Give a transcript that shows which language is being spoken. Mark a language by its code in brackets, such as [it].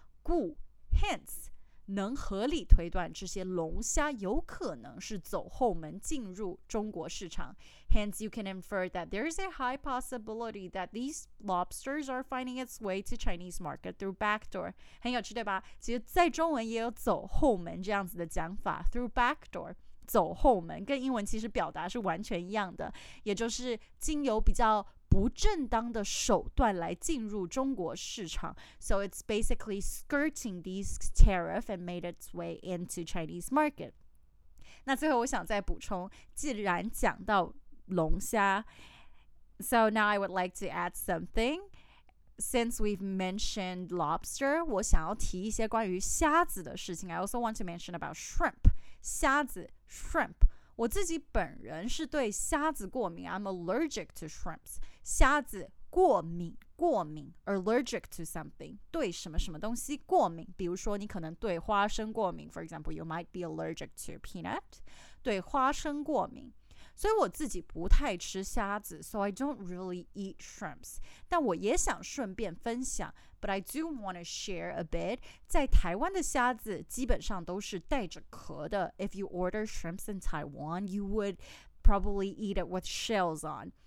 [zh] 故 hence, 能合理推断这些龙虾有可能是走后门进入中国市场。 [en] Hence, you can infer that there is a high possibility that these lobsters are finding its way to Chinese market through backdoor. [zh] 很有趣对吧？其实在中文也有走后门这样子的讲法， [en] through backdoor. [zh] 走后门跟英文其实表达是完全一样的，也就是经由比较不正当的手段来进入中国市场。 [en] So it's basically skirting these tariffs and made its way into Chinese market. [zh] 那最后我想再补充，既然讲到龙虾， [en] So now I would like to add something. Since we've mentioned lobster, [zh] 我想要提一些关于虾子的事情。 [en] I also want to mention about shrimp. [zh] 虾子Shrimp. 我自己本人是对虾子过敏。 [en] I'm allergic to shrimps. [zh] 虾子过敏，过敏。 [en] Allergic to something. [zh] 对什么什么东西过敏。比如说你可能对花生过敏。 [en] For example, you might be allergic to peanut. [zh] 对花生过敏。所以我自己不太吃虾子。 [en] So I don't really eat shrimps. [zh] 但我也想顺便分享。 [en] But I do want to share a bit. [zh] 在台湾的虾子基本上都是带着壳的。 [en] If you order shrimps in Taiwan, you would probably eat it with shells on.